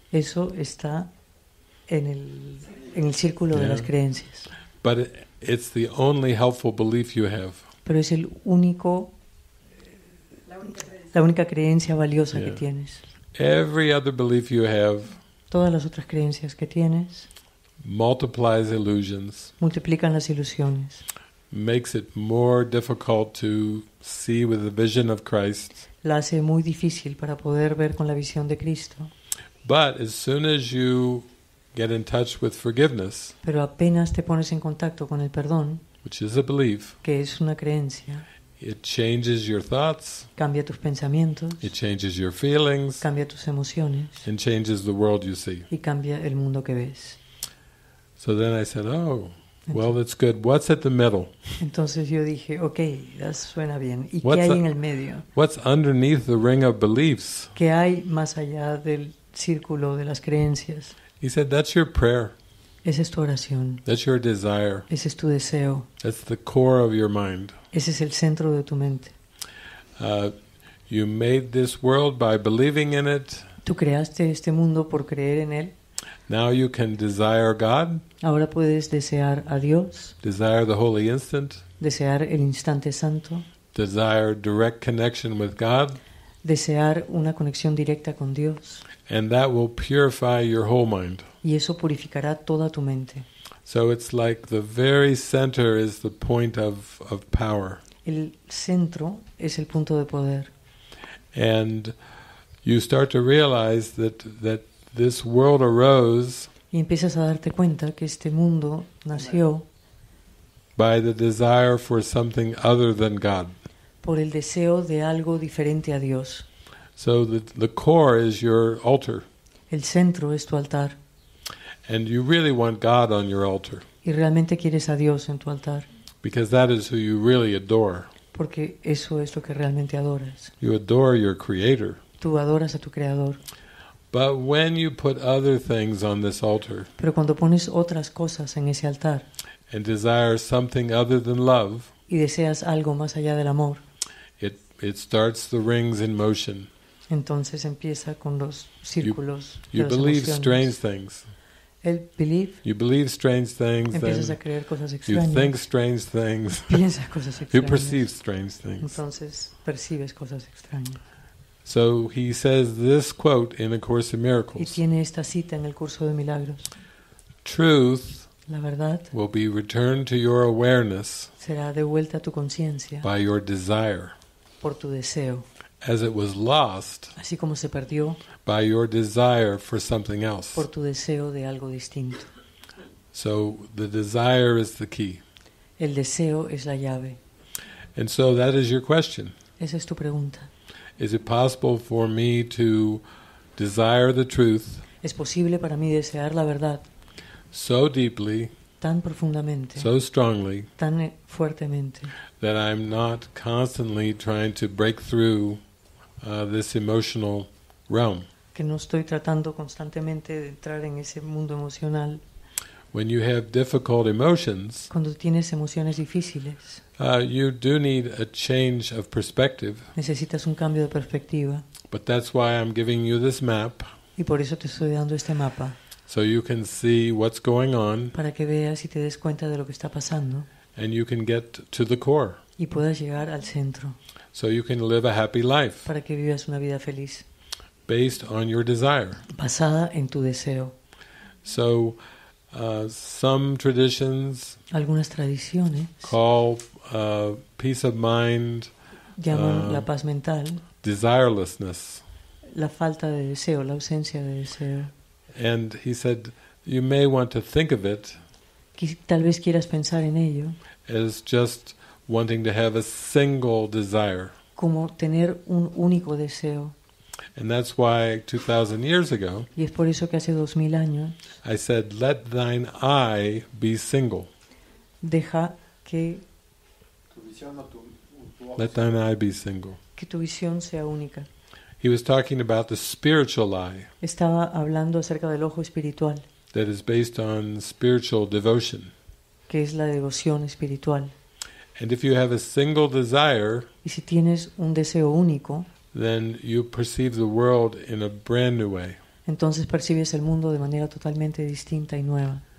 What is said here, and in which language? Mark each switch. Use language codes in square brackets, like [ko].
[es] Eso está en el círculo, yeah, de las creencias. [en] But it's the only helpful belief you have. [es] Pero es el único, la única creencia valiosa, yeah, que tienes. [en] Every other belief you have, [es] todas las otras creencias que tienes, [en] multiplies illusions, [es] multiplican las ilusiones, [en] makes it more difficult to see with the vision of Christ, [es] la hace muy difícil para poder ver con la visión de Cristo. [en] But as soon as you get in touch with forgiveness, [es] pero apenas te pones en contacto con el perdón, [en] which is a belief, [es] que es una creencia, [en] it changes your thoughts, [es] cambia tus pensamientos, [en] it changes your feelings, [es] cambia tus emociones, [en] and changes the world you see, [es] y cambia el mundo que ves. [en] So then I said, oh, well, that's good. What's at the middle? [es] Entonces yo dije, okay, that suena bien. ¿Y qué hay en el medio? [en] What's underneath the ring of beliefs? [es] ¿Qué hay más allá del círculo de las creencias? [en] He said, that's your prayer. [es] Esa es tu oración. [en] That's your desire. [es] Ese es tu deseo. [en] That's the core of your mind. [es] Ese es el centro de tu mente. [en] You made this world by believing in it. [es] Tú creaste este mundo por creer en él. [en] Now you can desire God. [es] Ahora puedes desear a Dios. [en] Desire the holy instant. [es] Desear el instante santo. [en] Desire direct connection with God. [es] Desear una conexión directa con Dios. [en] And that will purify your whole mind. [es] Y eso purificará toda tu mente. [en] So it's like the very center is the point of power. [es] El centro es el punto de poder. [en] And you start to realize that this world arose. [es] Y empiezas a darte cuenta que este mundo nació. [en] by the desire for something other than God. [es] Por el deseo de algo diferente a Dios. [en] So the core is your altar. [es] El centro es tu altar. [en] And you really want God on your altar. [es] Y realmente quieres a Dios en tu altar. [en] Because that is who you really adore. [es] Porque eso es lo que realmente adoras. [en] You adore your creator. [es] Tú adoras a tu creador. [en] But when you put other things on this altar, [es] pero cuando pones otras cosas en ese altar, [en] and desire something other than love, [es] y deseas algo más allá del amor, [en] it starts the rings in motion. [es] Entonces empieza con los círculos. [en] You believe strange things. You believe strange things. [es] Empiezas a creer cosas extrañas. [en] You think strange things. [es] Piensas cosas extrañas. [en] You perceive strange things. [es] Entonces percibes cosas extrañas. [en] So he says this quote in A Course in Miracles. [es] Y tiene esta cita en el curso de milagros. [en] Truth, [es] la verdad, [en] will be returned to your awareness, [es] será devuelta a tu conciencia, [en] by your desire, [es] por tu deseo, [en] as it was lost, [es] así como se perdió, [en] by your desire for something else, [es] por tu deseo de algo distinto. [en] So the desire is the key. [es] El deseo es la llave. [en] And so that is your question. [es] Esa es tu pregunta. [en] Is it possible for me to desire the truth? [es] ¿Es posible para mí desear la verdad? [en] So deeply, [es] tan profundamente, [en] so strongly, [es] tan fuertemente, [en] that I'm not constantly trying to break through this emotional realm. [es] Que no estoy tratando constantemente de entrar en ese mundo emocional. [en] When you have difficult emotions, [es] cuando tienes emociones difíciles, [en] you do need a change of perspective. [es] Necesitas un cambio de perspectiva. [en] But that's why I'm giving you this map. [es] Y por eso te estoy dando este mapa. [en] So you can see what's going on. [es] Para que veas y te des cuenta de lo que está pasando. [en] And you can get to the core. [es] Y puedas llegar al centro. [en] So you can live a happy life. [es] Para que vivas una vida feliz. [en] Based on your desire. [es] Basada en tu deseo. [en] So some traditions, [es] algunas tradiciones, [en] call peace of mind, [es] llaman la paz mental, [en] desirelessness, [es] la falta de deseo, la ausencia de deseo. [en] And he said, you may want to think of it, [es] tal vez quieras pensar en ello, [en] as just wanting to have a single desire, [es] como tener un único deseo. [en] And that's why 2,000 years ago, [es] y es por eso que hace 2,000 años, [en] I said, let thine eye be single. [es] Deja que, [en] let thine eye be single. [es] Que tu visión sea única. [en] He was talking about the spiritual eye. [es] Estaba hablando acerca del ojo espiritual. [en] That is based on spiritual devotion. [es] Que es la devoción espiritual. [en] And if you have a single desire, [es] y si tienes un deseo único, [en] then you perceive the world in a brand new way. [es] Entonces percibes el mundo de manera totalmente distinta y nueva.